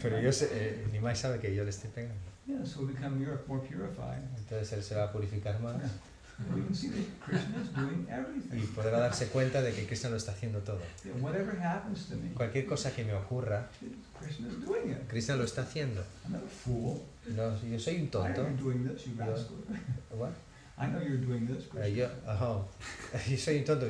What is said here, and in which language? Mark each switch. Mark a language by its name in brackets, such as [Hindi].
[Spanish] Pero yo sé, Nimai sabe que yo le estoy pegando. [English] Yeah, so we become more purified. [Spanish] Entonces él se va a purificar más. [English] We can see that Krishna is doing everything. [Spanish] Y podrá darse cuenta de que Krishna lo está haciendo todo. [English] Yeah, whatever happens to me. [Spanish] Cualquier cosa que me ocurra. [English] Krishna is doing it. [Spanish] Krishna lo está haciendo. [English] I'm not a fool. [Spanish] No, yo soy un tonto. [English] I know you're doing this, you rascal. What? I know you're doing this, Krishna. [Spanish] Yo soy un tonto.